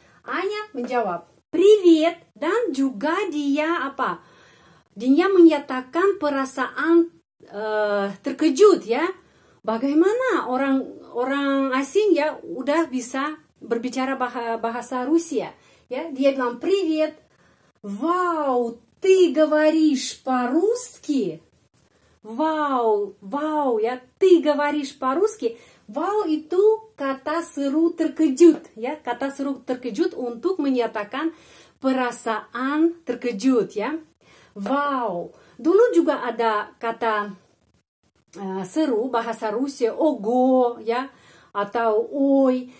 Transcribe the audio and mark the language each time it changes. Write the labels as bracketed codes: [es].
[id] Anya menjawab привет dan juga dia apa? Dia menyatakan perasaan terkejut ya. Bagaimana orang asing ya udah bisa berbicara bahasa Rusia ya. Dia bilang привет. [ru] Вау, ты говоришь по-русски? Вау, ya, ты говоришь по-русски? [id] Вау itu kata seru terkejut ya. Kata seru terkejut untuk menyatakan perasaan terkejut ya. Вау. Dulu juga ada kata seru bahasa Rusia, ого, ya, atau ой.